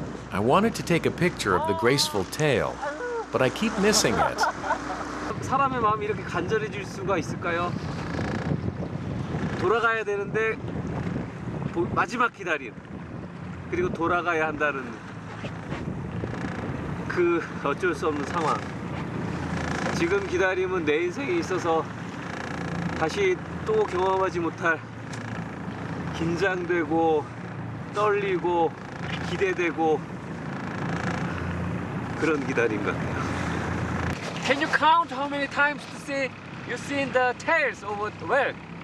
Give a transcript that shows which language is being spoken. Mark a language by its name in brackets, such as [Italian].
[English] I wanted to take a picture of the graceful tail, but I keep missing it. [Korean] 사람의 마음이 이렇게 간절해질 수가 있을까요? 돌아가야 되는데 마지막 기다림 그리고 돌아가야 한다는 그 어쩔 수 없는 상황. 지금 기다림은 내 인생에 있어서 다시 또 경험하지 못할 긴장되고 떨리고 기대되고 그런 기다림 같아요. [English] Can you count how many times to see you've seen the tails of the whale?